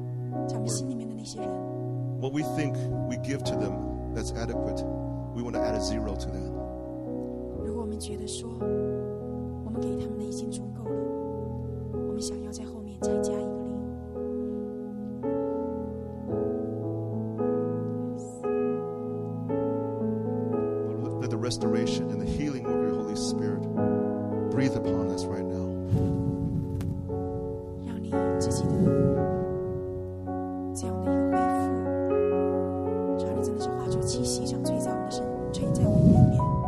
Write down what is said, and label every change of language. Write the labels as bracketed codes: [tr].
[en] what we think we give to them that's adequate, we want to add a zero to that. [zh] 如果我们觉得说我们给他们的已经足够了，我们想要在后面再加一个零。 [en] Let the restoration and the healing of your Holy Spirit breathe upon us right now. [zh] 让你自己的这样的一个恢复，主啊，你真的是化作气息，想吹在我们的身，吹在我们里面。